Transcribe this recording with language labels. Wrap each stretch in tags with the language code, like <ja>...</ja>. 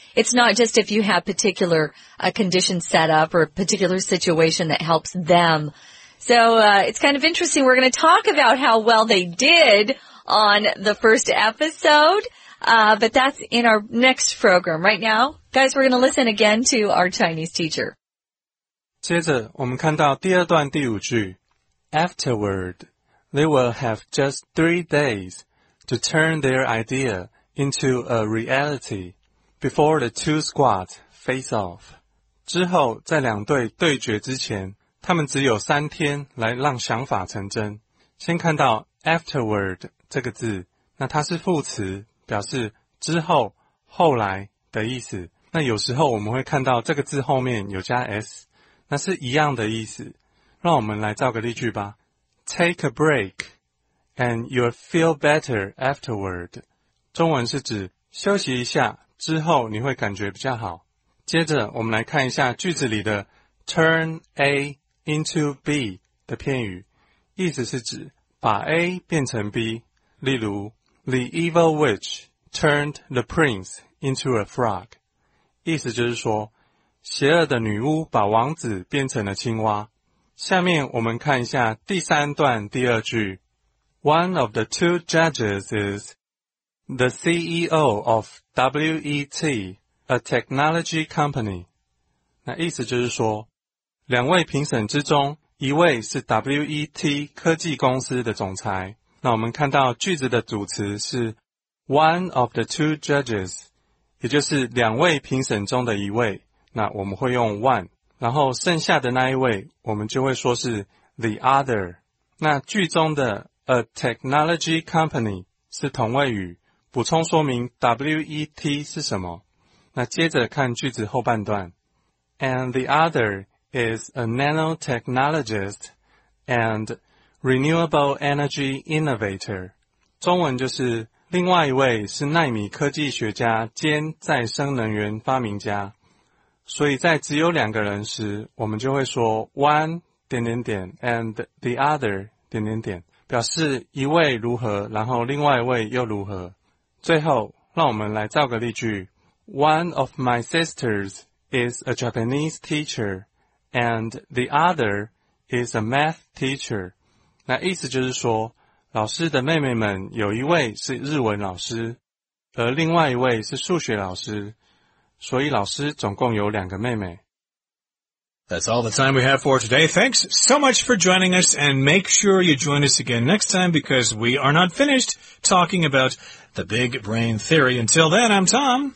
<en>It's not just if you have particular condition set up or a particular situation that helps them. So it's kind of interesting. We're going to talk about how well they did on the first episode. But that's in our next program. Right now, guys, we're going to listen again to our Chinese teacher.</en> <zh>接着我们看到第二段第五句。</zh> <en>Afterward, they will have just 3 days to turn their idea into a reality before the two squads face off.</en> <zh>之后在两队对决之前他们只有三天来让想法成真。先看到 afterward 这个字，那它是副词，表示之后后来的意思。那有时候我们会看到这个字后面有加 s， 那是一样的意思。让我们来造个例句吧。</zh> <en>Take a break, and you'll feel better afterward.</en> <zh>中文是指休息一下，之后你会感觉比较好。接着我们来看一下句子里的 turn A into B 的片语，意思是指把 A 变成 B。例如</zh> <en>,The evil witch turned the prince into a frog.</en> <zh>意思就是说邪恶的女巫把王子变成了青蛙。下面我们看一下第三段第二句。</zh> <en>One of the two judges is the CEO of WET, a technology company.</en> <zh>那意思就是说，两位评审之中，一位是 WET 科技公司的总裁。那我们看到句子的主词是</zh> <en>one of the two judges,</en> <zh>也就是两位评审中的一位。那我们会用 one。然后剩下的那一位我们就会说是 the other。那句中的</zh> <en>a technology company</en> <zh>是同位语，补充说明 WET 是什么。那接着看句子后半段，</zh> <en>and the other is a nanotechnologist and renewable energy innovator。</en> <zh>中文就是另外一位是奈米科技学家兼再生能源发明家。所以在只有两个人时，我们就会说 one 点点点 and the other 点点点，表示一位如何，然后另外一位又如何。最后让我们来造个例句。</zh> <en>One of my sisters is a Japanese teacher and the other is a math teacher.</en> <zh>那意思就是说，老师的妹妹们有一位是日文老师，而另外一位是数学老师，所以老师总共有两个妹妹。</zh> <en>That's all the time we have for today. Thanks so much for joining us, and make sure you join us again next time because we are not finished talking about the Big Brain Theory. Until then, I'm Tom.</en>